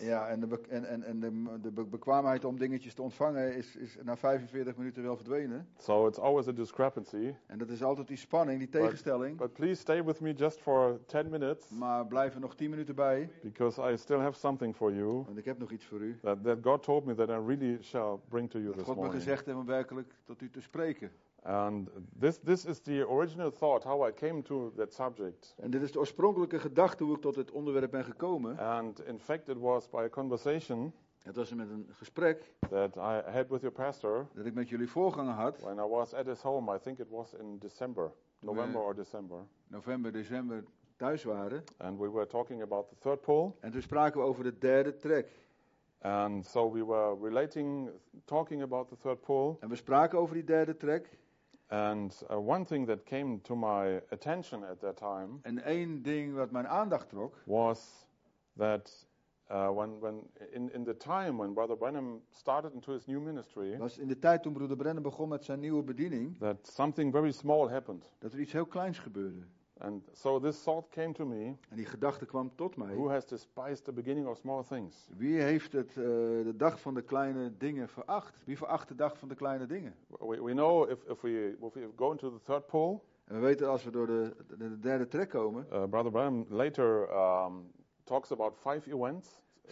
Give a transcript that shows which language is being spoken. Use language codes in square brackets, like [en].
[nl] Ja, en de bekwaamheid om dingetjes te ontvangen is na 45 minuten wel verdwenen. [en] So it's always a discrepancy. [nl] En dat is altijd die spanning, die tegenstelling. [en] But please stay with me just for 10 minutes. [nl] Maar blijf er nog 10 minuten bij. [en] Because I still have something for you. [nl] Want ik heb nog iets voor u. [en] That God told me that I really shall bring to you [nl] dat [en] this morning. [nl] God me gezegd heeft om werkelijk tot u te spreken. [en] And this is the original thought how I came to that subject. [nl] En dit is de oorspronkelijke gedachte hoe ik tot dit onderwerp ben gekomen. [en] And in fact it was by a conversation. [nl] Het was met een gesprek [en] that I had with your pastor. [nl] Dat ik met jullie voorganger had. [en] When I was at his home, I think it was in December, November or December. [nl] November, december thuis waren. [en] And we were talking about the third pole. [nl] En toen spraken we over de derde trek. [en] And so we were relating talking about the third pole. [nl] En we spraken over die derde trek. [en] And one thing that came to my attention at that time [nl] en één ding wat mijn aandacht trok [en] was that When in the time when Brother Branham started into his new ministry, [nl] was in de tijd toen Broeder Branham begon met zijn nieuwe bediening, [en] that something very small happened. [nl] Dat er iets heel kleins gebeurde. [en] And so this thought came to me. [nl] En die gedachte kwam tot mij. [en] Who has despised the beginning of small things? [nl] Wie heeft het de dag van de kleine dingen veracht? Wie veracht de dag van de kleine dingen? [en] We know if we go into the third pole. [nl] En we weten als we door de derde trek komen. [en] Brother Branham later talks about five events.